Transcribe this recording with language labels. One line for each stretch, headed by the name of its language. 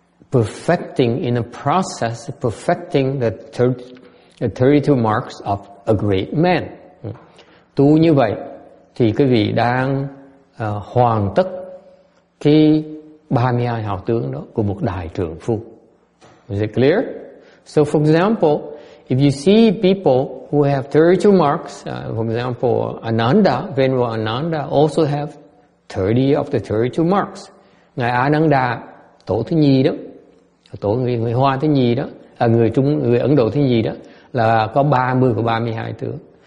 English: perfecting, in a process of perfecting the 32 marks of a great man.
Vietnamese: Tu như vậy thì quý vị đang hoàn tất cái 32 hào tướng đó của một đại trưởng phu.
English: Is it clear? So for example, if you see people who have 32 marks, for example, Ananda, Venerable Ananda also have 30 of the 32 marks.
Vietnamese: Ngài Ananda, tổ thứ nhì đó, tổ người Hoa thứ nhì đó, người Trung, người Ấn Độ thứ nhì đó, là có 30 của 32 tướng.